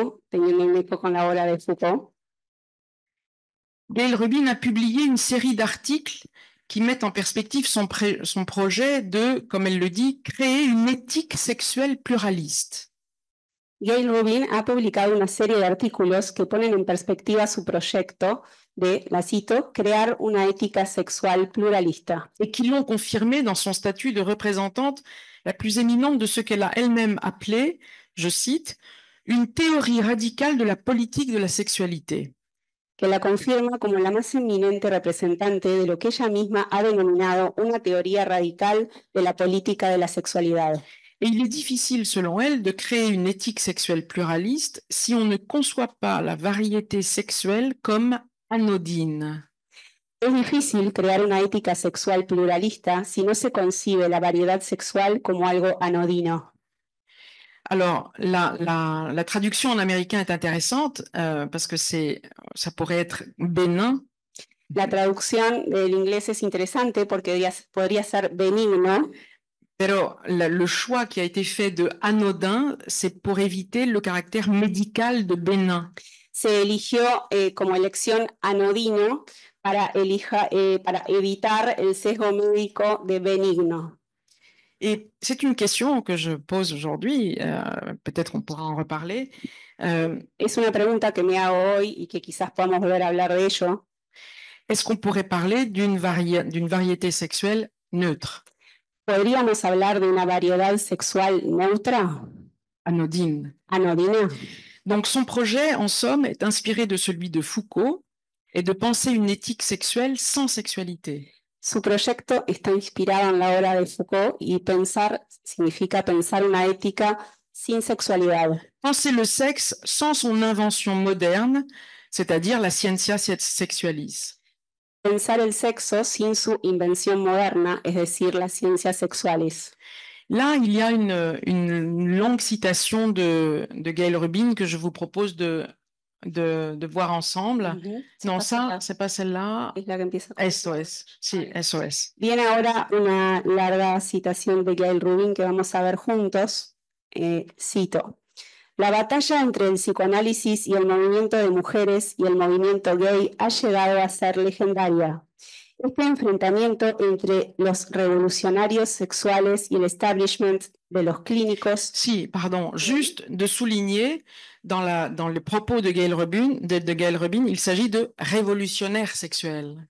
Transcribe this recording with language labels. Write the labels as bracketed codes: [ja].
[es] Teniendo un écho con la obra de Foucault. [fr] Gail Rubin a publié une série d'articles qui mettent en perspective son projet de, comme elle le dit, créer une éthique sexuelle pluraliste. [es] Gail Rubin a publicado una serie de artículos que ponen en perspectiva su proyecto de, la cito, crear una ética sexual pluralista. [fr] Et qui l'ont confirmé dans son statut de représentante la plus éminente de ce qu'elle a elle-même appelé, je cite, une théorie radicale de la politique de la sexualité. [es] Que la confirma como la más eminente representante de lo que ella misma ha denominado una teoría radical de la política de la sexualidad. [fr] Et il est difficile, selon elle, de créer une éthique sexuelle pluraliste si on ne conçoit pas la variété sexuelle comme anodine. [es] Es difícil crear una ética sexual pluralista si no se concibe la variedad sexual como algo anodino. [fr] Alors, la traduction en américain est intéressante parce que ça pourrait être bénin. [es] La traducción del inglés es interesante porque podría ser benigno. Pero [fr] le choix qui a été fait de anodin, c'est pour éviter le caractère médical de bénin. [es] Se eligió como elección anodino para evitar el sesgo médico de benigno. [fr] Et c'est une question que je pose aujourd'hui, peut-être on pourra en reparler. [es] Es una pregunta que me hago hoy y que quizás podamos volver a hablar de ello. [fr] Est-ce qu'on pourrait parler d'une variété sexuelle neutre? [es] ¿Podríamos hablar de una variedad sexual neutra? [fr] Anodine. Anodine. Donc son projet, en somme, est inspiré de celui de Foucault et de penser une éthique sexuelle sans sexualité. [es] Su proyecto está inspirado en la obra de Foucault y pensar significa pensar una ética sin sexualidad. [fr] Penser le sexe sans son invention moderne, c'est-à-dire la ciencia sexualis. [es] Pensar el sexo sin su invención moderna, es decir, la ciencia sexualis. [fr] Là, il y a une longue citation de Gail Rubin que je vous propose de voir ensemble. Mm-hmm. Non, ça, c'est pas celle-là. [es] Es la que empieza con... SOS. Sí, SOS. Viene ahora una larga citación de Gail Rubin que vamos a ver juntos. Cito. La batalla entre el psicoanálisis y el movimiento de mujeres y el movimiento gay ha llegado a ser legendaria. Este enfrentamiento entre los revolucionarios sexuales y el establishment de los clínicos. Sí, perdón, [fr] juste de souligner dans le propos de Gail Rubin, de Gail Rubin, il s'agit de révolutionnaires sexuels.